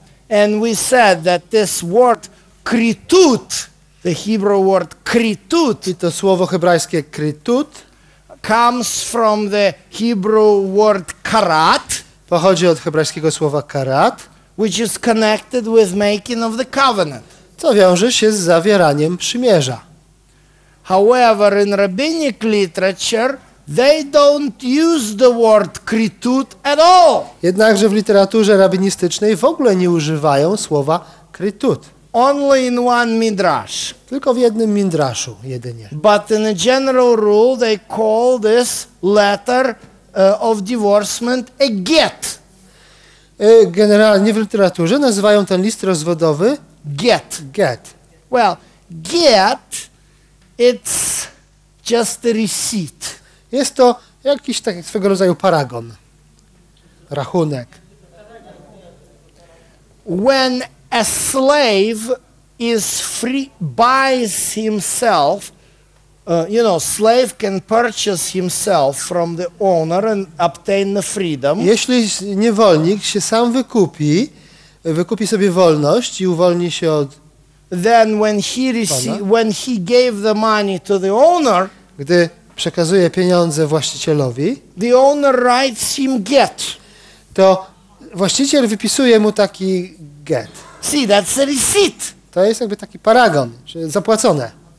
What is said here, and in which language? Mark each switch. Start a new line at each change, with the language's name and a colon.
English: And we said that this word kritut, the Hebrew word kritut,
Polish: i to słowo hebrajskie kritut,
English: comes from the Hebrew word karat,
Polish: pochodzi od hebrajskiego słowa karat,
English: which is connected with making of the covenant,
Polish: co wiąże się z zawieraniem przymierza.
English: However, in rabbinic literature, they don't use the word kritut at all.
Polish: Jednakże w literaturze rabinistycznej w ogóle nie używają słowa kritut.
English: Only in one midrash.
Polish: Tylko w jednym midraszu jedynie.
English: But in a general rule they call this letter of divorcement a get.
Polish: Generalnie w literaturze nazywają ten list rozwodowy get. Get.
English: Well, get, it's just a receipt.
Polish: Jest to jakiś tak swego rodzaju paragon. Rachunek.
English: When a slave is free, buys himself, you know, slave can purchase himself from the owner and obtain the freedom.
Polish: Jeśli niewolnik się sam wykupi, wykupi sobie wolność i uwolni się od...
English: Then when he when he gave the money to the owner,
Polish: gdy przekazuje pieniądze właścicielowi,
English: the owner writes him get.
Polish: To właściciel wypisuje mu taki get.
English: See, that's a receipt.
Polish: To jest jakby taki paragon, czy zapłacone.